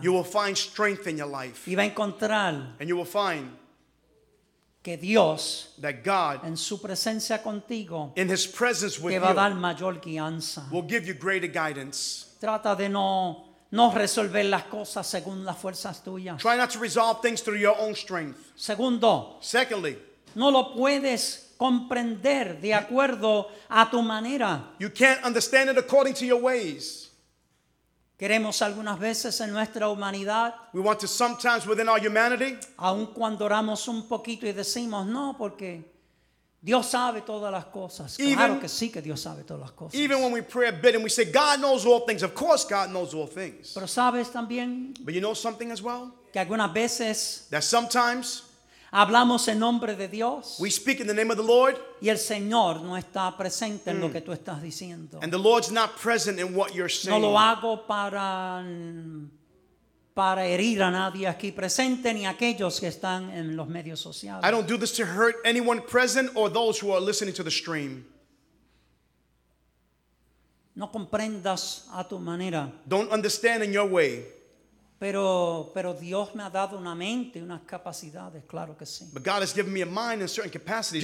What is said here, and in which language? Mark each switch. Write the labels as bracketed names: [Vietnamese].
[English] You will find strength in your life. [Spanish] Y va a encontrar, [English] and you will find [Spanish] que Dios, [English] that God, [Spanish] en su presencia contigo, [English] in his presence with [Spanish] te va a dar mayor guianza. [English] Will give you greater guidance. [Spanish] Trata de no resolver las cosas según las fuerzas tuyas. [English] Try not to resolve things through your own strength. [Spanish] Segundo, [English] secondly, [Spanish] no lo puedes comprender de acuerdo a tu manera. [English] You can't understand it according to your ways. [Spanish] Queremos algunas veces en nuestra humanidad. [English] We want to sometimes within our humanity. [Spanish] Aun cuando oramos un poquito y decimos no, porque Dios sabe todas las cosas. [English] Even, [Spanish] claro que sí que Dios sabe todas las cosas. [English] Even when we pray a bit and we say God knows all things, of course God knows all things. [Spanish] Pero sabes también. [English] But you know something as well. [Spanish] Que algunas veces. [English] That sometimes. [Spanish] Hablamos en nombre de Dios. [English] We speak in the name of the Lord. [Spanish] Y el Señor no está presente en lo que tú estás diciendo. [English] And the Lord's not present in what you're saying. [Spanish] No lo hago para herir a nadie aquí presente ni aquellos que están en los medios sociales. [English] I don't do this to hurt anyone present or those who are listening to the stream. [Spanish] No comprendas a tu manera. [English] Don't understand in your way. [Spanish] Pero Dios me ha dado una mente, unas capacidades, claro que sí. [English] But God has given me a mind and certain capacities,